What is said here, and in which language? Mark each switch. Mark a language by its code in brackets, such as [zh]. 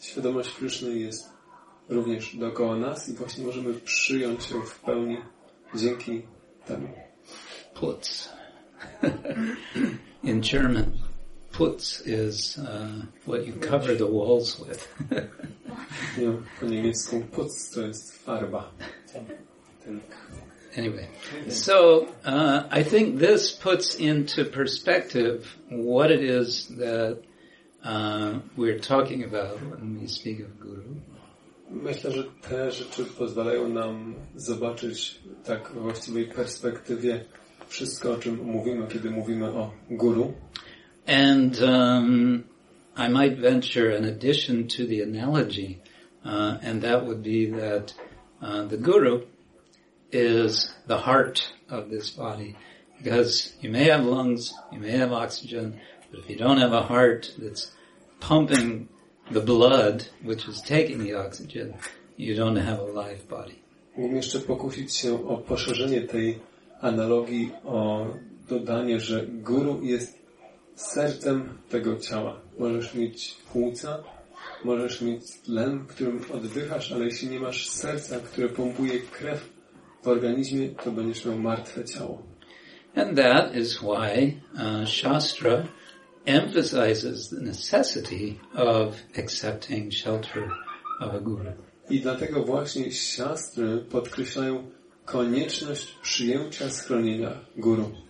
[pl] Świadomość Kryszny jest również dookoła nas i właśnie możemy przyjąć ją w pełni dzięki temu. [en] Putz. In German, putz is what you cover the walls with. [pl] Nie, po niemiecku putz to jest farba. [en] Anyway, so I think this puts into perspective what it is that we're talking about when we speak of guru. [pl] Myślę, że te rzeczy pozwalają nam zobaczyć tak w właściwej perspektywie wszystko, o czym mówimy, kiedy mówimy o guru. [en] And I might venture an addition to the analogy, and that would be that the guru is the heart of this body. Because you may have lungs, you may have oxygen, but if you don't have a heart that's pumping the blood, which is taking the oxygen, you don't have a live body. [pl] Mógłbym jeszcze pokusić się o poszerzenie tej analogii, o dodanie, że guru jest sercem tego ciała. Możesz mieć płuca, możesz mieć tlen, którym oddychasz, ale jeśli nie masz serca, które pompuje krew w organizmie, to będziesz miał martwe ciało. [en] And that is why Shastra emphasizes the necessity of accepting shelter of a guru. [pl] I dlatego właśnie siostry podkreślają konieczność przyjęcia schronienia guru.